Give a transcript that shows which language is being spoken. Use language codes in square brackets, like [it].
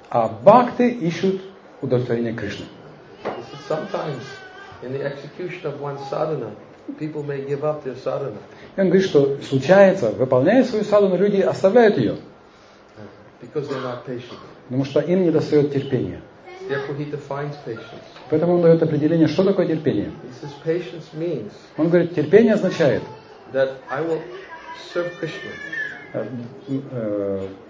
[ru] А бхакти ищут удовлетворение Кришны. [en] Sometimes in the execution of one sadhana, people may give up their sadhana. [ru] Он говорит, что случается, выполняя свою садхану, люди оставляют ее. [en] Because they're not patient. [ru] Потому что им не достает терпения. [en] Therefore he defines patience. [ru] Поэтому он дает определение, что такое терпение. [en] He says patience means. [ru] Он говорит, терпение означает. [en] That I will serve Krishna.